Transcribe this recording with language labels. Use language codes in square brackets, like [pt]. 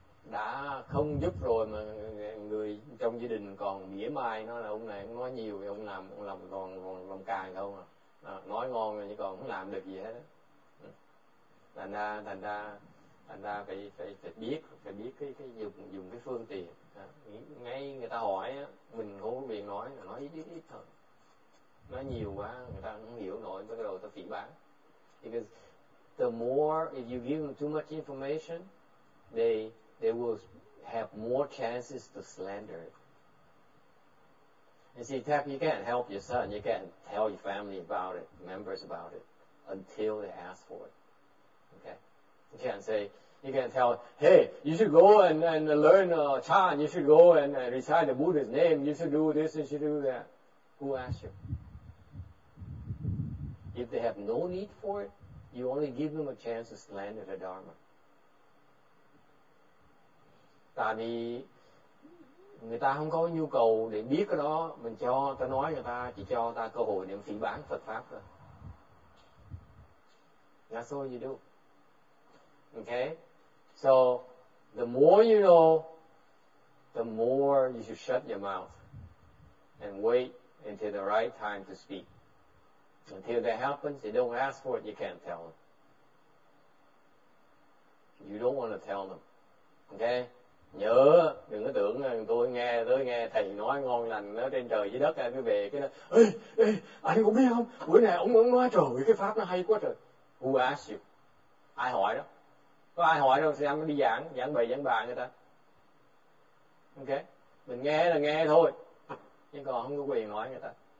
[vi] Đã không giúp rồi mà người trong gia đình còn mỉa mai nó là ông này không nói nhiều thì ông làm còn làm càng đâu mà nói ngon rồi chứ còn không làm được gì hết á. Thành ra phải biết cái dùng cái phương tiện. Ngay người ta hỏi á, mình không có biện nói là nói ít thôi, nói nhiều quá người ta không hiểu nổi, bắt đầu ta phỉ báng. [en] Because the more if you give them too much information, they will have more chances to slander it. You see, you can't help your son, you can't tell your family about it, members about it, until they ask for it. Okay? You can't say, you can't tell, hey, you should go and learn Chan, you should go and recite the Buddha's name, you should do this, you should do that. Who asked you? If they have no need for it, you only give them a chance to slander the Dharma. [vi] Tại vì người ta không có nhu cầu để biết cái đó, mình cho, ta nói người ta, chỉ cho ta cơ hội để phỉ báng Phật Pháp thôi. [en] That's all you do. Okay? So, the more you know, the more you should shut your mouth and wait until the right time to speak. Until that happens, you don't ask for it, you can't tell them. You don't want to tell them. Okay? [vi] Nhớ, đừng có tưởng là tôi nghe thầy nói ngon lành nó trên trời dưới đất, mới về cái nó, ê, anh cũng biết không, bữa nay ông nói trời cái pháp nó hay quá trời. [en] Who asked you? [vi] Ai hỏi đó? Có ai hỏi đâu, sao anh đi giảng bài người ta. Ok, mình nghe là nghe thôi, nhưng còn không có quyền nói người ta.